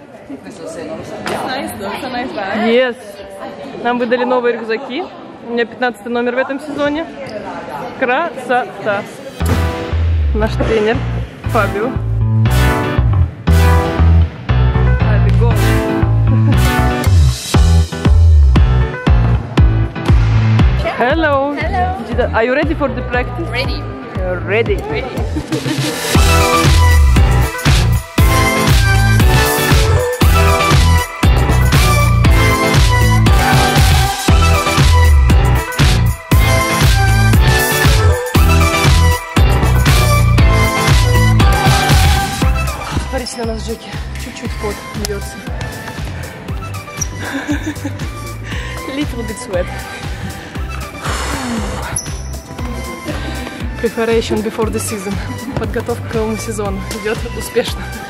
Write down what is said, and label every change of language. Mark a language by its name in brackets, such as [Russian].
[English] It's nice though, it's a nice bag. Yes! [Russian] Нам выдали новые рюкзаки. У меня 15 номер в этом сезоне. Красота! Наш тренер Фабио. [English] Hello. Hello. Gita, are you ready for the practice? Ready. You're ready. Ready. [Russian] Смотрите на нас, Джеки. Чуть-чуть пот льется. [English] Little bit sweat. Preparation before the season. [Russian] Подготовка к новому сезону идет успешно.